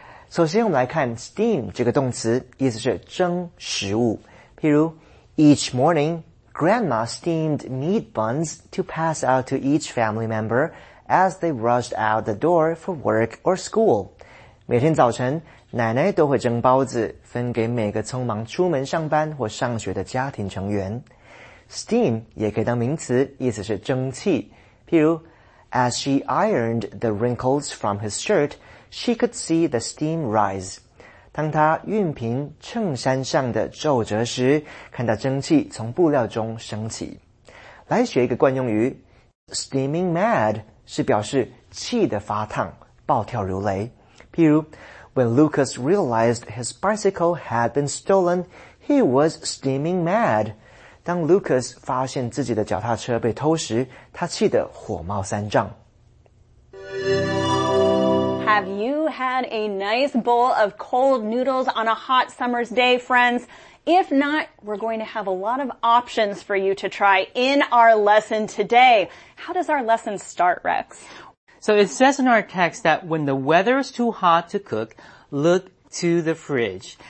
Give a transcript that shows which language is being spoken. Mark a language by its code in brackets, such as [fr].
[zh] 首先我们来看 steam 这个动词，意思是蒸食物。譬如 [en] ,each morning, grandma steamed meat buns to pass out to each family member as they rushed out the door for work or school. [zh] 每天早晨，奶奶都会蒸包子，分给每个匆忙出门上班或上学的家庭成员。 steam 也可以当名词，意思是蒸汽。譬如 [en] As she ironed the wrinkles from his shirt, she could see the steam rise. [zh] 当她熨平衬衫上的皱褶时，看到蒸汽从布料中升起。来学一个惯用语 ,steaming mad 是表示气得发烫，暴跳如雷。譬如 [en] ,when Lucas realized his bicycle had been stolen, he was steaming mad. [zh] 当 Lucas 发现自己的脚踏车被偷时，他气得火冒三丈。 [en] Have you had a nice bowl of cold noodles on a hot summer's day, friends? If not, we're going to have a lot of options for you to try in our lesson today. How does our lesson start, Rex? So it says in our text that when the weather is too hot to cook, look to the fridge.